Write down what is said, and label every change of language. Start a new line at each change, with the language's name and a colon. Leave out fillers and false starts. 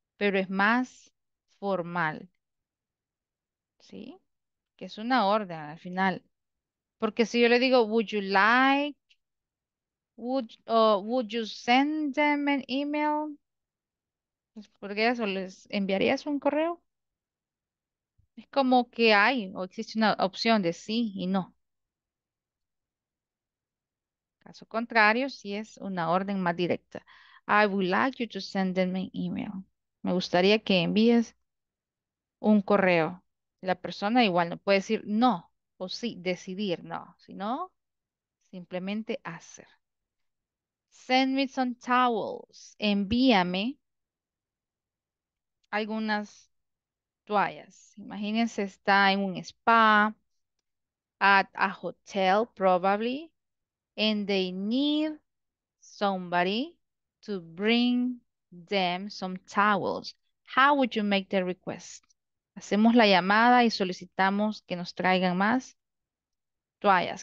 Spanish: Pero es más formal. ¿Sí? Que es una orden al final. Porque si yo le digo,
English: would you like, would you send them an email?
Spanish: Pues porque eso, ¿les enviarías un correo? Es como que hay o existe una opción de sí y no. Caso contrario, si es una orden más directa.
English: I would like you to send them an email.
Spanish: Me gustaría que envíes un correo. La persona igual no puede decir no o sí, decidir no, sino simplemente hacer.
English: Send me some towels.
Spanish: Envíame algunas toallas. Imagínense, está en un spa,
English: at a hotel, probably, and they need somebody to bring them some towels. How would you make the request?
Spanish: Hacemos la llamada y solicitamos que nos traigan más toallas.